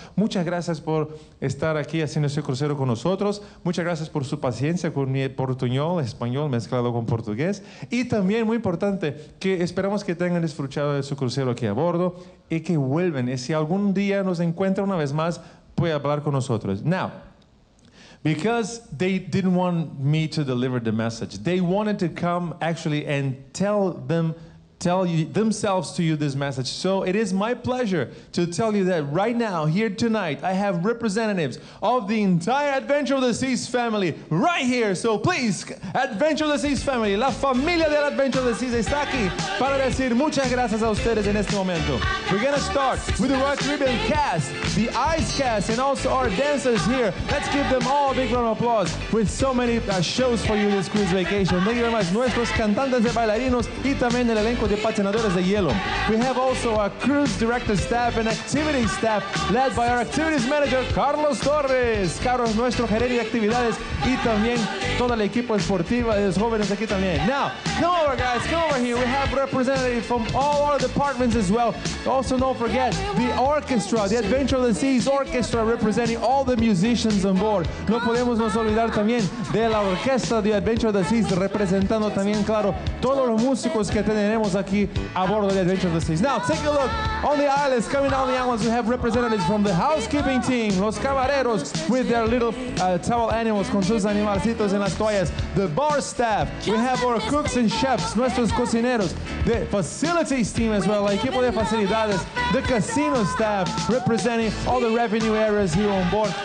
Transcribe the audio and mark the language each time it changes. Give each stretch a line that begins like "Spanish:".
Spanish: Muchas gracias por estar aquí haciendo este crucero con nosotros. Muchas gracias por su paciencia con mi portuñol, español mezclado con portugués. Y también, muy importante, que esperamos que tengan disfrutado de su crucero aquí a bordo y que vuelven. Y si algún día nos encuentra una vez más, puede hablar con nosotros.
English: Now, because they didn't want me to deliver the message, they wanted to come actually and tell themselves to you this message. So it is my pleasure to tell you that right now, here tonight, I have representatives of the entire Adventure of the Seas family right here. So please, Adventure of the Seas family,
Spanish: la familia del Adventure of the Seas está aquí para decir muchas gracias a ustedes en este momento.
English: We're gonna start with the Rock Ribbon cast, the Ice cast, and also our dancers here. Let's give them all a big round of applause with so many shows for you this cruise vacation. Thank you very much.
Spanish: Nuestros cantantes de bailarinos y también el elenco de patinadores de hielo.
English: We have also a cruise director staff and activity staff led by our activities manager, Carlos Torres.
Spanish: Carlos, nuestro gerente de actividades y también toda la equipo esportiva y los jóvenes aquí también.
English: Now, come over, guys, come over here. We have representatives from all our departments as well. Also, don't forget the orchestra, the Adventure of the Seas orchestra representing all the musicians on board.
Spanish: No podemos nos olvidar también de la orquesta de Adventure of the Seas representando también, claro, todos los músicos que tenemos aquí a bordo de Adventure of the Seas.
English: Now, take a look on the islands, coming down the islands, we have representatives from the housekeeping team,
Spanish: los camareros
English: with their little towel animals,
Spanish: con sus animalcitos en las toallas,
English: the bar staff, we have our cooks and chefs,
Spanish: nuestros cocineros,
English: the facilities team as well,
Spanish: equipo de facilidades,
English: the casino staff, representing all the revenue areas here on board.